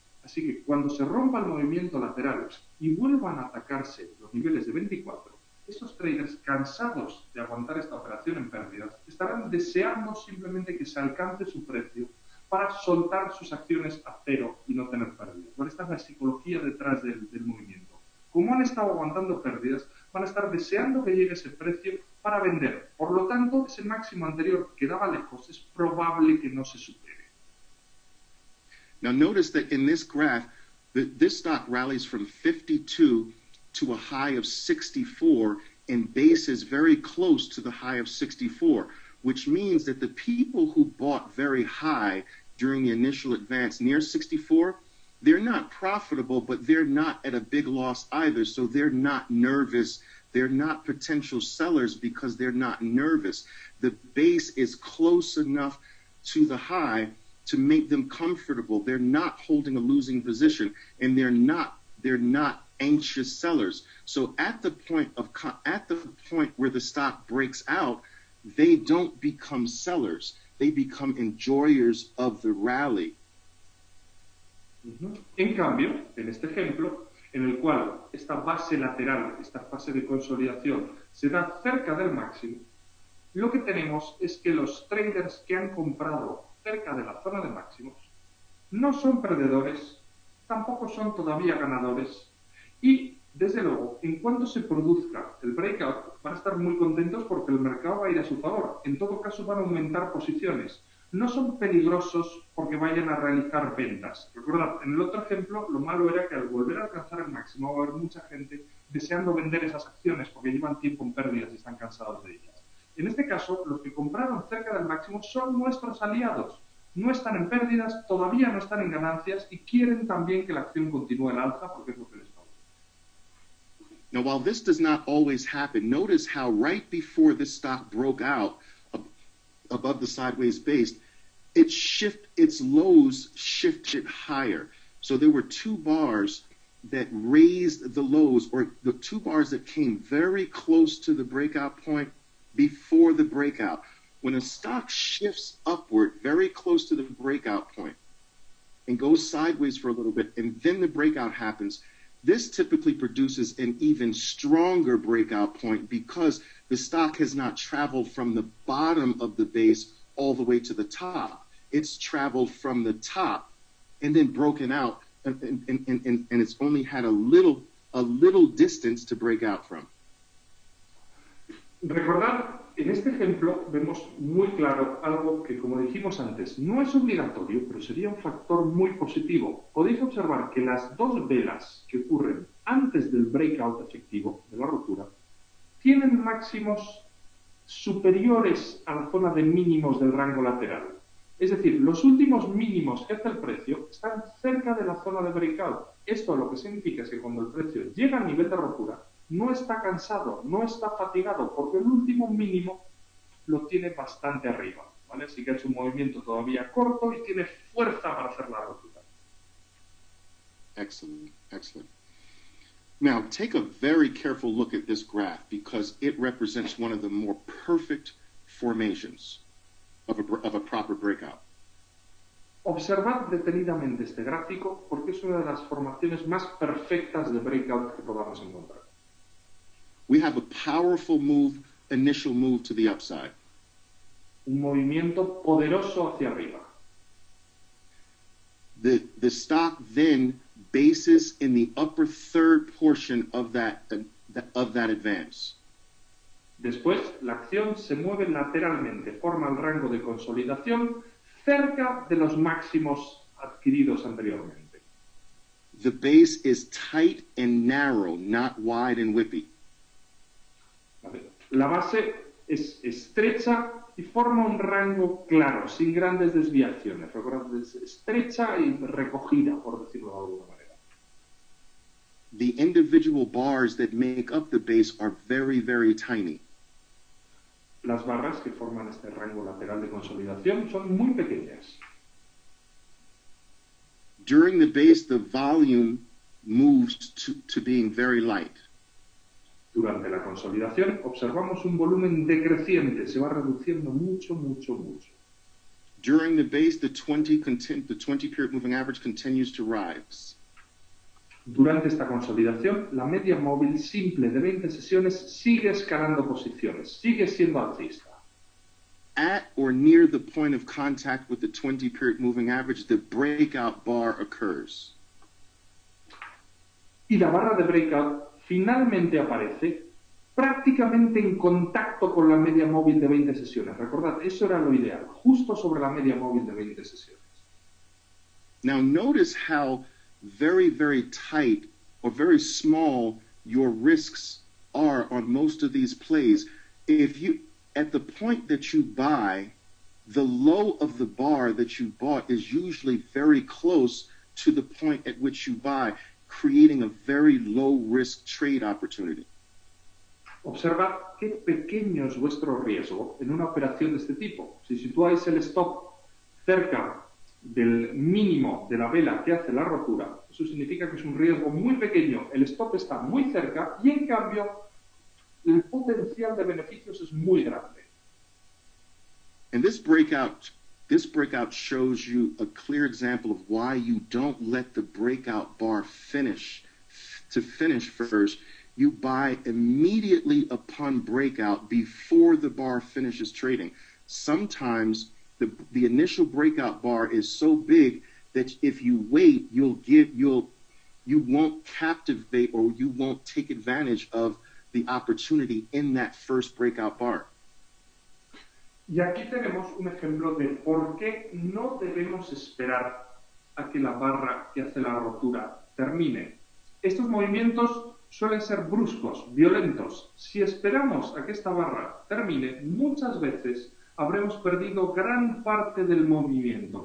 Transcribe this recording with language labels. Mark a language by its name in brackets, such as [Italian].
[Spanish] Así que cuando se rompa el movimiento lateral y vuelvan a atacarse los niveles de 24, esos traders cansados de aguantar esta operación en pérdidas estarán deseando simplemente que se alcance su precio para soltar sus acciones a cero y no tener pérdidas. Bueno, esta es la psicología detrás del movimiento. Como han estado aguantando pérdidas, van a estar deseando que llegue ese precio para vender. Por lo tanto, ese máximo anterior que daba lejos es probable que no se supere. [English] Now notice that in this graph, this stock rallies from 52 to a high of 64 and bases very close to the high of 64, which means that the people who bought very high during the initial advance near 64, they're not profitable, but they're not at a big loss either, so they're not nervous. They're not potential sellers because they're not nervous. The base is close enough to the high to make them comfortable. They're not holding a losing position, and they're not anxious sellers. So at the point where the stock breaks out, they don't become sellers. They become enjoyers of the rally. [Spanish] En cambio, en este ejemplo, en el cual esta base lateral, esta fase de consolidación, se da cerca del máximo, lo que tenemos es que los traders que han comprado cerca de la zona de máximos no son perdedores, tampoco son todavía ganadores, y desde luego, en cuanto se produzca el breakout, van a estar muy contentos porque el mercado va a ir a su favor. En todo caso, van a aumentar posiciones. No son peligrosos porque vayan a realizar ventas. Recordad, en el otro ejemplo, lo malo era que al volver a alcanzar el máximo va a haber mucha gente deseando vender esas acciones porque llevan tiempo en pérdidas y están cansados de ellas. En este caso, los que compraron cerca del máximo son nuestros aliados. No están en pérdidas, todavía no están en ganancias y quieren también que la acción continúe en alza porque es lo que les va a gustar. [English] Now, while this does not always happen, notice how right before this stock broke out, above the sideways base, its lows shifted higher. So there were two bars that raised the lows, or the two bars that came very close to the breakout point before the breakout. When a stock shifts upward very close to the breakout point and goes sideways for a little bit, and then the breakout happens, this typically produces an even stronger breakout point because the stock has not traveled from the bottom of the base all the way to the top. It's traveled from the top and then broken out, and it's only had a little distance to break out from. [Spanish] Recordad, en este ejemplo vemos muy claro algo que, como dijimos antes, no es obligatorio, pero sería un factor muy positivo. Podéis observar que las dos velas que ocurren antes del breakout efectivo, de la rotura, tienen máximos superiores a la zona de mínimos del rango lateral. Es decir, los últimos mínimos que hace el precio están cerca de la zona de breakout. Esto lo que significa es que cuando el precio llega al nivel de rotura, no está cansado, no está fatigado, porque el último mínimo lo tiene bastante arriba, ¿vale? Así que ha hecho un movimiento todavía corto y tiene fuerza para hacer la rotura. [English] Excellent, excellent. Now, take a very careful look at this graph because it represents one of the more perfect formations of a proper breakout. [Spanish] Observad detenidamente este gráfico porque es una de las formaciones más perfectas de breakout que podamos encontrar. [English] We have a powerful move, initial move to the upside. [Spanish] Un movimiento poderoso hacia arriba. [English] The stock then bases in the upper third portion of that advance. [Spanish] Después, la acción se mueve lateralmente, forma el rango de consolidación cerca de los máximos adquiridos anteriormente. [English] The base is tight and narrow, not wide and whippy. [Spanish] La base es estrecha y forma un rango claro, sin grandes desviaciones. Recordad, es estrecha y recogida, por decirlo de alguna manera. [English] The individual bars that make up the base are very, very tiny. [Spanish] Las barras que forman este rango lateral de consolidación son muy pequeñas. [English] During the base, the volume moves to being very light. [Spanish] Durante la consolidación, observamos un volumen decreciente, se va reduciendo mucho, mucho, mucho. [English] During the base, the 20 period moving average continues to rise. [Spanish] Durante esta consolidación, la media móvil simple de 20 sesiones sigue escalando posiciones, sigue siendo alcista. [English] At or near the point of contact with the 20 period moving average, the breakout bar occurs. [Spanish] Y la barra de breakout finalmente aparece prácticamente en contacto con la media móvil de 20 sesiones. Recordad, eso era lo ideal, justo sobre la media móvil de 20 sesiones. [English] Now notice how very, very tight or very small your risks are on most of these plays. If you, at the point that you buy, the low of the bar that you bought is usually very close to the point at which you buy, creating a very low risk trade opportunity. [Spanish] Observa qué pequeño es vuestro riesgo en una operación de este tipo. Si situáis el stop cerca del mínimo de la vela que hace la rotura, eso significa que es un riesgo muy pequeño. El stop está muy cerca y, en cambio, el potencial de beneficios es muy grande. [English] And this breakout shows you a clear example of why you don't let the breakout bar finish first. You buy immediately upon breakout before the bar finishes trading. Sometimes the initial breakout bar is so big that if you wait, you won't captivate or you won't take advantage of the opportunity in that first breakout bar. [Spanish] Y aquí tenemos un ejemplo de por qué no debemos esperar a que la barra que hace la rotura termine. Estos movimientos suelen ser bruscos, violentos. Si esperamos a que esta barra termine, muchas veces habremos perdido gran parte del movimiento.